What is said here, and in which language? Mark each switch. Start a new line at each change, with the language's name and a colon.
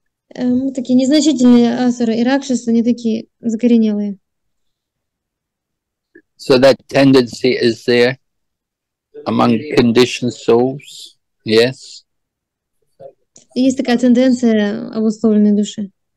Russian: Такие незначительные асуры и ракшасы, они такие закоренелые.
English: So that tendency is there among conditioned souls, yes?
Russian: Есть такая тенденция обусловленной души.